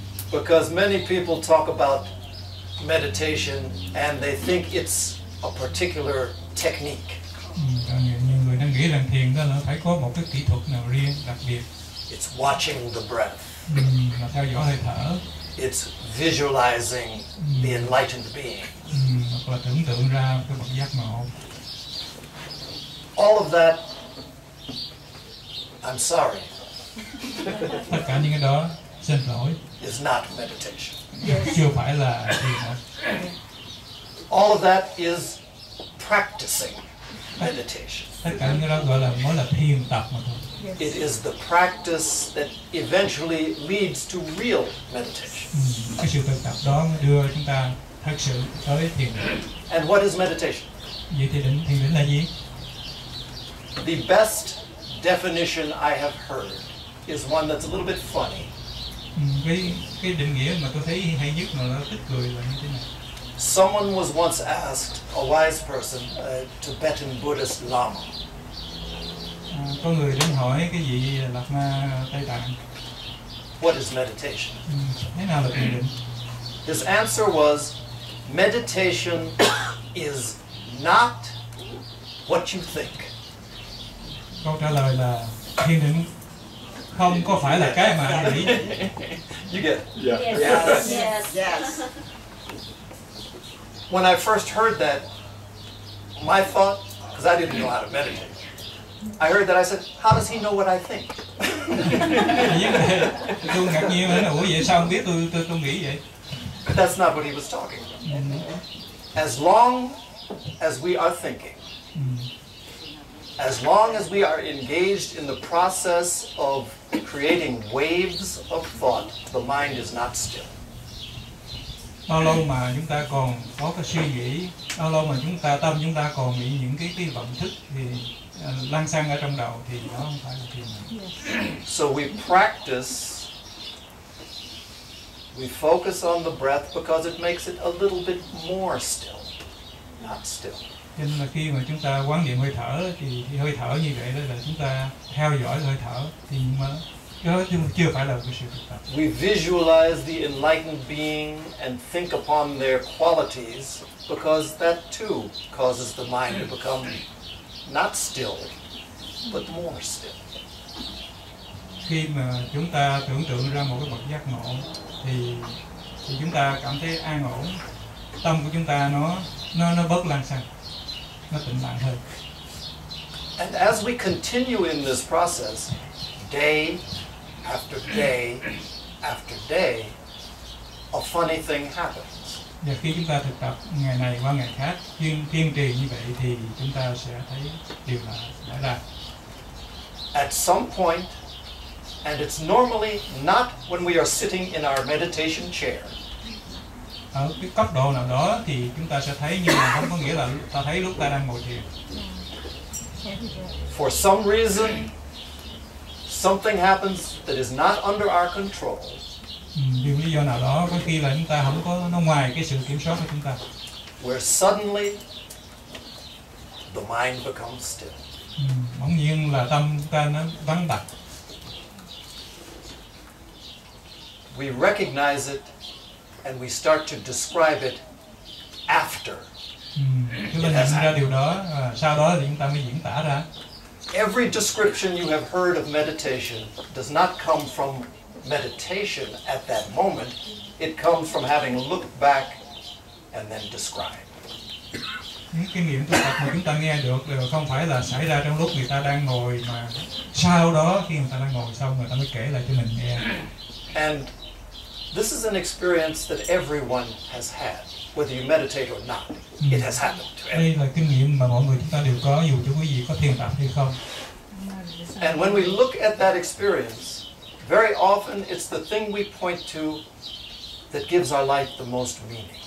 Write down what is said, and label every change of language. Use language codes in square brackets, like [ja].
[en] Because many people talk about meditation and they think it's a particular technique. [vi] Nhiều người đang nghĩ rằng thiền đó là phải có một cái kỹ thuật nào riêng đặc biệt. [en] It's watching the breath. [vi] Là theo dõi hơi thở. [en] It's visualizing the enlightened being. [vi] Hoặc là tưởng tượng ra cái bậc giác ngộ. [en] All of that, I'm sorry. [vi] Tất cả những cái đó, xin lỗi. [en] Is not meditation. [vi] Chưa phải là thiền. [en] All of that is practicing meditation. [vi] Tất cả những cái đó gọi là mới là thiền tập mà thôi. [en] It is the practice that eventually leads to real meditation. [vi] Cái sự thực tập đó đưa chúng ta thực sự tới thiền. [en] And what is meditation? [vi] Vậy thì định thiền định là gì? [en] The best definition I have heard is one that's a little bit funny. [vi] Cái định nghĩa mà tôi thấy hay nhất mà nó thích cười là như thế này. [en] Someone was once asked, a wise person, a Tibetan Buddhist Lama. [vi] Có người đến hỏi cái vị Lạt Ma Tây Tạng. [en] What is meditation? [vi] Thế nào là thiền định? [en] His answer was, meditation is not what you think. [vi] Câu trả lời là thiền định không có phải là cái mà anh nghĩ. [en] You get it. Yeah. Yes. Yes. Yes. When I first heard that, my thought, because I didn't know how to meditate, I heard that, I said, how does he know what I think? [vi] Tôi ngạc nhiên, ủa vậy sao không biết tôi nghĩ vậy? [en] But that's not what he was talking about. As long as we are thinking, as long as we are engaged in the process of creating waves of thought, the mind is not still. [vi] Bao lâu mà chúng ta còn có cái suy nghĩ, bao lâu mà chúng ta tâm chúng ta còn bị những cái vận thức thì lăng xăng ở trong đầu thì đó không phải là thiền. [en] So we practice, we focus on the breath because it makes it a little bit more still, not still. [vi] Cho nên là khi mà chúng ta quán niệm hơi thở thì hơi thở như vậy đó là chúng ta theo dõi hơi thở thì mà chưa phải là một sự thực tập. [en] We visualize the enlightened being and think upon their qualities because that too causes the mind to become not still, but more still. [vi] Khi mà chúng ta tưởng tượng ra một cái bậc giác ngộ thì chúng ta cảm thấy an ổn, tâm của chúng ta nó bớt lăng xăng, nó tĩnh lặng hơn. [en] And as we continue in this process, day after day after day, a funny thing happens. [vi] Và khi chúng ta thực tập ngày này qua ngày khác, kiên trì như vậy thì chúng ta sẽ thấy điều là đã ra. [en] At some point, and it's normally not when we are sitting in our meditation chair. [vi] Ở cái cấp độ nào đó thì chúng ta sẽ thấy, nhưng mà không có nghĩa là ta thấy lúc ta đang ngồi thiền. [en] For some reason, something happens that is not under our control. [vi] Vì lý do nào đó, có khi là chúng ta không có, nó ngoài cái sự kiểm soát của chúng ta. [en] Where suddenly, the mind becomes still. [vi] Bỗng nhiên là tâm ta nó vắng bặt. [en] We recognize it and we start to describe it after. [vi] Chúng ta nhận ra điều đó, sau đó thì chúng ta mới diễn tả ra. [en] Every description you have heard of meditation does not come from meditation at that moment. It comes from having looked back and then described. [vi] Những kinh nghiệm thực tập mà chúng ta nghe được đều không phải là xảy ra trong lúc người ta đang ngồi, mà sau đó khi người ta đang ngồi xong người ta mới kể lại cho mình nghe. [en] And this is an experience that everyone has had, whether you meditate or not. It has happened to everyone. [vi] Đây là kinh nghiệm mà mọi người chúng ta đều có, dù cho quý vị có thiền tập hay không. [en] And when we look at that experience, very often it's the thing we point to that gives our life the most meaning.